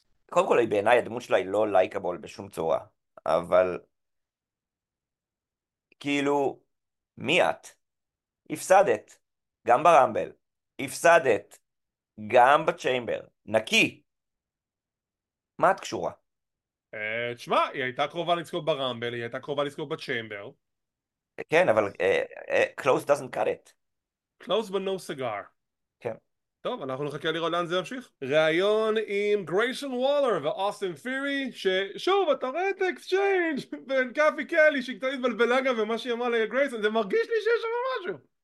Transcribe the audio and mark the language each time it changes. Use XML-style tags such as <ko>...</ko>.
<he>קודם כל, בעיניי הדמות שלה היא לא לייקבול בשום צורה, אבל כאילו, מי את? הפסדת, גם ברמבל, הפסדת, גם בצ'יימבר, נקי. מה את קשורה? תשמע, היא הייתה קרובה לזכות ברמבל, היא הייתה קרובה לזכות בצ'יימבר. כן, אבל</he> <en>close doesn't cut it. Close but no cigar.</en> <he>כן. טוב, אנחנו נחכה לראות לאן זה ימשיך. ראיון עם גרייסון וולר ואוסטין פירי, ששוב, אתה רואה את האקסצ'יינג' בין קאפי קלי, שהיא קצת התבלבלה גם ומה שהיא אמרה לגרייסון, זה מרגיש לי שיש שם משהו.</he>